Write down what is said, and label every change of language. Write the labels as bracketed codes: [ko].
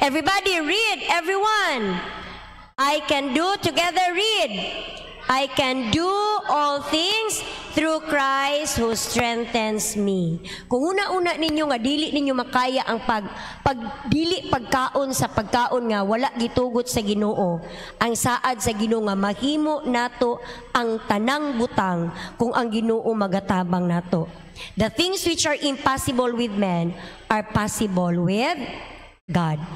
[en] Everybody read, everyone. I can do, together read. I can do all things through Christ who strengthens me. [ceb] Kung una-una ninyo nga dili ninyo makaya ang pagdili pagkaon sa pagkaon nga wala gitugot sa Ginoo, ang saad sa Ginoo nga mahimo nato ang tanang butang kung ang Ginoo magatabang nato. [en] The things which are impossible with men are possible with God.